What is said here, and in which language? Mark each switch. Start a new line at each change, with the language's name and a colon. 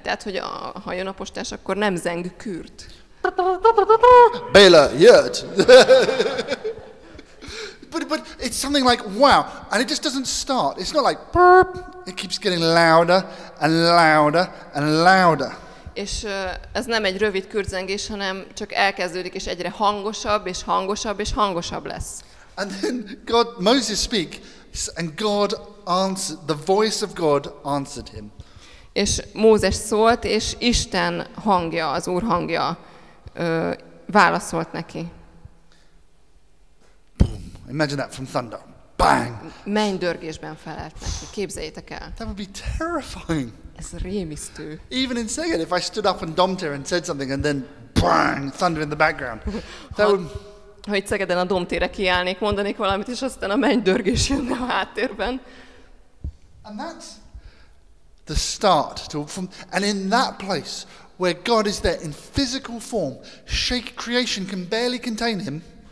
Hungarian: Tehát, hogy ha jön a postás, akkor nem zeng kürt. Béla jött!
English: But it's something like wow, and it just doesn't start. It's not like burp. It keeps getting louder and louder and louder.
Hungarian: És ez nem egy rövid kürtzengés, hanem csak elkezdődik és egyre hangosabb és hangosabb és hangosabb lesz.
English: And then God, Moses speaks, and God answered. The voice of God answered him.
Hungarian: És Mózes szólt, és Isten hangja, az Úr hangja válaszolt neki.
English: Imagine that from thunder. Bang!
Hungarian: Mennydörgésben felelt neki. Képzeljétek el.
English: That would be terrifying.
Hungarian: Ez rémisztő.
English: Even in Seged, if I stood up and domtér and said something and then bang, thunder in the background.
Hungarian: Ha itt Szegeden a domtére kiállnék, mondanék valamit, és aztán a mennydörgés jönne a háttérben.
English: And that's the start. And in that place where God is there in physical form, shake creation can barely contain him.